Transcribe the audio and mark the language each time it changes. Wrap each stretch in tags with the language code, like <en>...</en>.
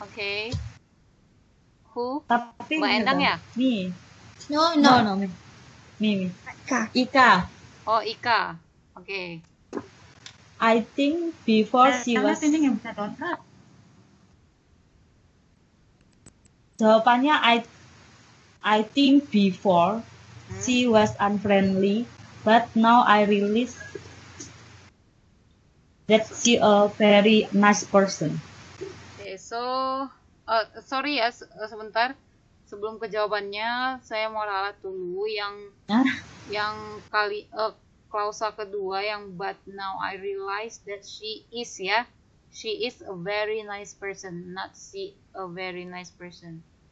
<en>Okay. Who?</en> <id>Tapi Mbak Endang ya?</id> <en>Me. No. Mimi. Ika. Oh, Ika. Okay. I think before she was...</en> <id>Sama sini yang bisa download.</id> <en>Jawabannya, I think before she was unfriendly, but now I realize that she a very nice person. Okay, so... sorry ya, sebentar.</en> <id>Sebelum ke jawabannya, saya mau ralat dulu yang... yang kali klausa kedua yang</id> <en>but now I realize that she is ya, she is a very nice person, not she a very nice person.</en>